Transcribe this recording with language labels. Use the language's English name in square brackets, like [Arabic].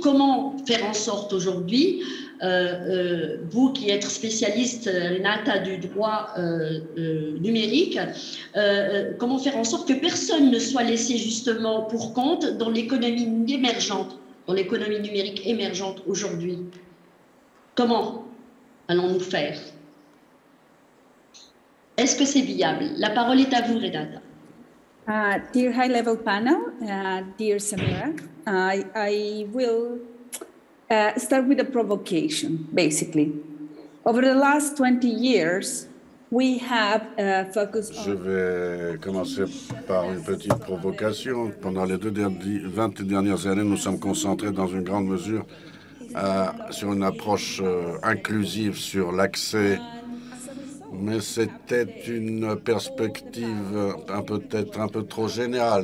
[French] Comment faire en sorte aujourd'hui, vous qui êtes spécialiste, Renata, du droit numérique, comment faire en sorte que personne ne soit laissé justement pour compte dans l'économie émergente, dans l'économie numérique émergente aujourd'hui? Comment allons-nous faire? Est-ce que c'est viable? La parole est à vous, Renata. [English] Dear high-level panel, dear Samira, I will start with a provocation, basically. Over the last 20 years, we have focused on... [French] Je vais commencer par une petite provocation. Pendant les 20 dernières années, nous sommes concentrés dans une grande mesure sur une approche inclusive sur l'accès. Mais c'était une perspective peut-être un peu trop générale.